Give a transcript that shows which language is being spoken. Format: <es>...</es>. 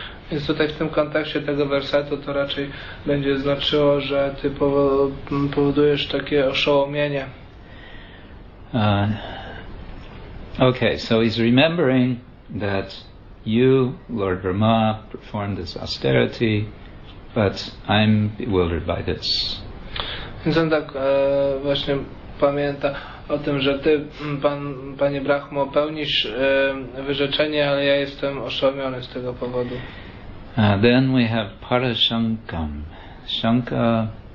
<pl>Więc tutaj w tym kontekście tego wersetu to raczej będzie znaczyło, że ty powodujesz takie oszołomienie.</pl> <en>Okay, so he's remembering that you, Lord Brahma, performed this austerity, but I'm bewildered by this.</en> <pl>Więc on tak właśnie pamięta o tym, że ty, panie Brahmo, pełnisz wyrzeczenie, ale ja jestem oszołomiony z tego powodu.</pl> <en>Then we have Parashankam. Shanka</en>